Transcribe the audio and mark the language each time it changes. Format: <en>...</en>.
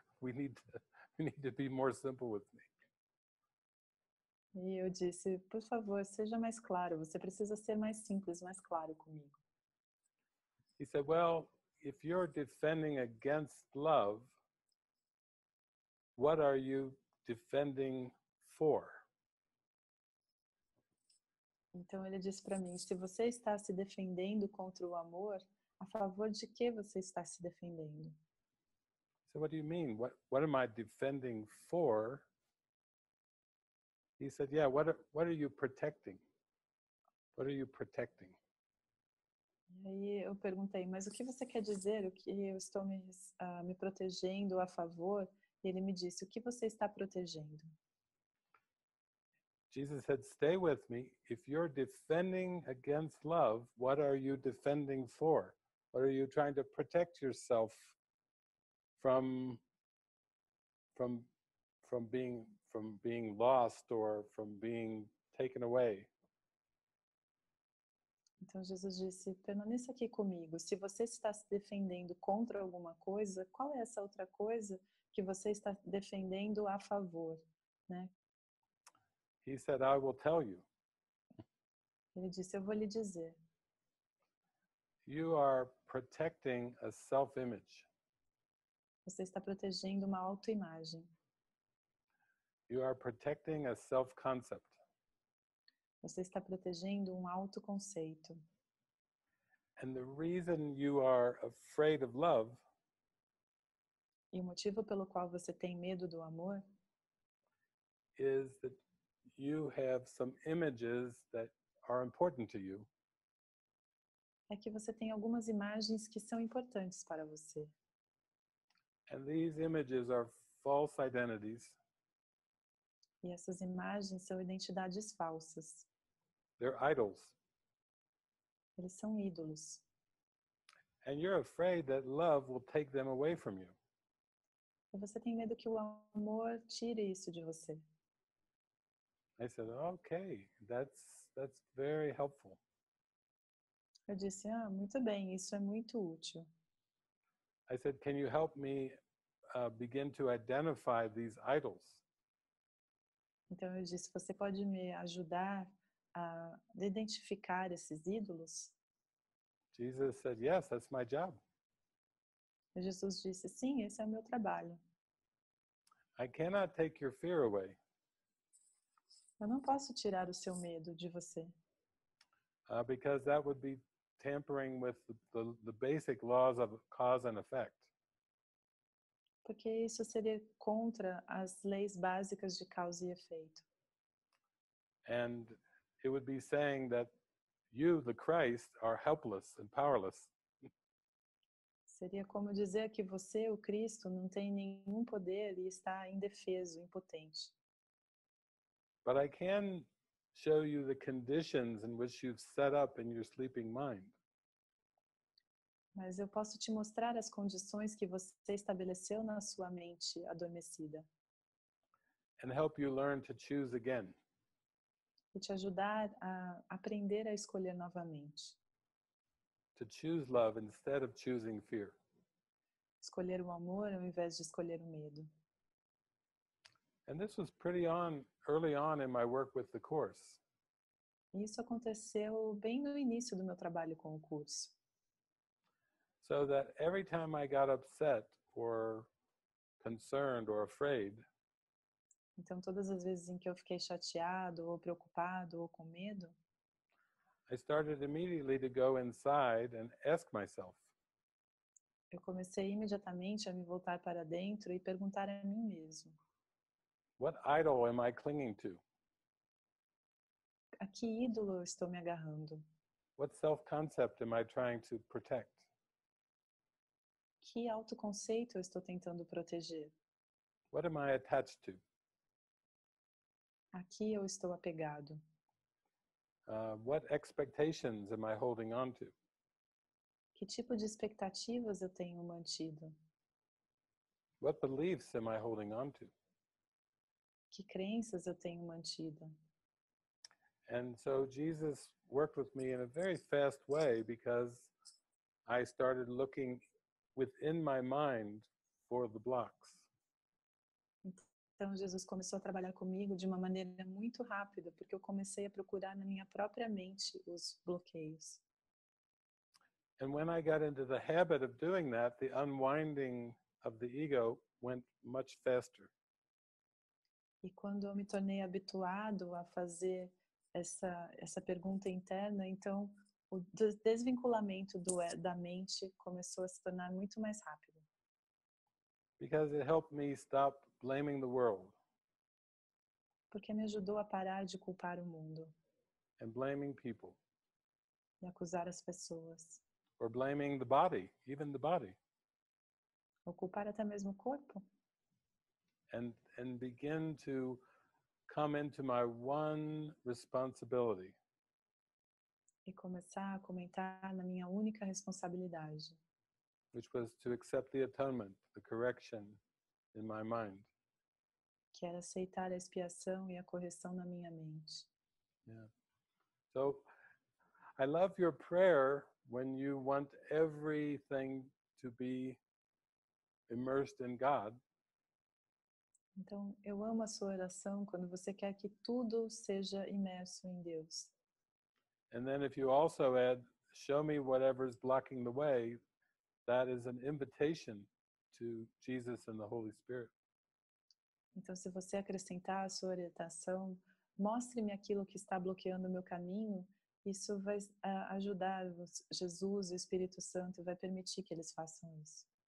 <en>We need to be more simple with me.</en> <pt>E eu disse, por favor, seja mais claro. Você precisa ser mais simples, mais claro comigo.</pt> <en>He said, well, if you're defending against love, what are you defending for?</en> <pt>Então ele disse para mim, se você está se defendendo contra o amor, a favor de que você está se defendendo?</pt> <en>So what do you mean? What am I defending for? He said, yeah, what are you protecting? What are you protecting?</en> <pt>E aí eu perguntei, mas o que você quer dizer? O que eu estou me protegendo a favor? E ele me disse, o que você está protegendo?</pt> <en>Jesus said, stay with me. If you're defending against love, what are you defending for? What are you trying to protect yourself from being lost or from being taken away?</en> <pt>Então Jesus disse, permaneça aqui comigo. Se você está se defendendo contra alguma coisa, qual é essa outra coisa que você está defendendo a favor, né?</pt> <en>He said, I will tell you.</en> <pt>Ele disse, eu vou lhe dizer.</pt> <en>You are protecting a self-image.</en> <pt>Você está protegendo uma autoimagem.</pt> <en>You are protecting a self-concept.</en> <pt>Você está protegendo um autoconceito.</pt> <en>And the reason you are afraid of love,</en> <pt>e o motivo pelo qual você tem medo do amor,</pt> <en>is that you have some images that are important to you.</en> <pt>É que você tem algumas imagens que são importantes para você.</pt> <en>And these images are false identities.</en> <pt>E essas imagens são identidades falsas.</pt> <en>They're idols.</en> <pt>Eles são ídolos.</pt> <en>And you're afraid that love will take them away from you.</en> <pt>E você tem medo que o amor tire isso de você.</pt> <en>I said, okay, that's very helpful.</en> <pt>Eu disse, ah, muito bem, isso é muito útil.</pt> <en>I said, can you help me begin to identify these idols?</en> <pt>Então eu disse, você pode me ajudar de identificar esses ídolos?</pt> <en>Jesus said, yes, that's my job.</en> <pt>Jesus disse, sim, esse é o meu trabalho.</pt> <en>I cannot take your fear away.</en> <pt>Eu não posso tirar o seu medo de você.</pt> <en>Because that would be tampering with the basic laws of cause and effect.</en> <pt>Porque isso seria contra as leis básicas de causa e efeito.</pt> <en>And it would be saying that you, the Christ, are helpless and powerless.</en> <pt>Seria como dizer que você, o Cristo, não tem nenhum poder e está indefeso, impotente.</pt> <en>But I can show you the conditions in which you've set up in your sleeping mind.</en> <pt>Mas eu posso te mostrar as condições que você estabeleceu na sua mente adormecida.</pt> <en>And help you learn to choose again.</en> <pt>E te ajudar a aprender a escolher novamente.</pt> <en>To choose love instead of choosing fear.</en> <pt>Escolher o amor ao invés de escolher o medo.</pt> <en>And this was pretty early on in my work with the course.</en> <pt>Isso aconteceu bem no início do meu trabalho com o curso.</pt> <en>So that every time I got upset or concerned or afraid.</en> <pt>Então, todas as vezes em que eu fiquei chateado ou preocupado ou com medo,</pt> <en>I started immediately to go inside and ask myself.</en> <pt>Eu comecei imediatamente a me voltar para dentro e perguntar a mim mesmo.</pt> <en>What idol am I clinging to?</en> <pt>A que ídolo estou me agarrando?</pt> <en>What self-concept am I trying to protect?</en> <pt>Que autoconceito eu estou tentando proteger?</pt> <en>What am I attached to?</en> <pt>A que eu estou apegado?</pt> <en>What expectations am I holding on to?</en> <pt>Que tipo de expectativas eu tenho mantido?</pt> <en>What beliefs am I holding on to?</en> <pt>Que crenças eu tenho mantido?</pt> <en>And so Jesus worked with me in a very fast way because I started looking within my mind for the blocks.</en> <pt>Então Jesus começou a trabalhar comigo de uma maneira muito rápida porque eu comecei a procurar na minha própria mente os bloqueios.</pt> <en>And when I got into the habit of doing that, the unwinding of the ego went much faster.</en> <pt>E quando eu me tornei habituado a fazer essa pergunta interna, então o desvinculamento da mente começou a se tornar muito mais rápido.</pt> <en>Because it helped me stop blaming the world.</en> <pt>Porque me ajudou a parar de culpar o mundo.</pt> <en>And blaming people.</en> <pt>E acusar as pessoas.</pt> <en>Or blaming the body, even the body.</en> <pt>Ou culpar até mesmo o corpo.</pt> <en>And begin to come into my one responsibility.</en> <pt>E começar a comentar na minha única responsabilidade.</pt> <en>Which was to accept the atonement, the correction in my mind.</en> <pt>Que era aceitar a expiação e a correção na minha mente.</pt> <en>Yeah. So, I love your prayer when you want everything to be immersed in God.</en> <pt>Então, eu amo a sua oração quando você quer que tudo seja imerso em Deus.</pt> <en>And then if you also add, show me whatever's blocking the way, that is an invitation to Jesus and the Holy Spirit.</en> <pt>Então, se você acrescentar a sua orientação, mostre-me aquilo que está bloqueando o meu caminho, isso vai ajudar Jesus e o Espírito Santo, vai permitir que eles façam isso.</pt>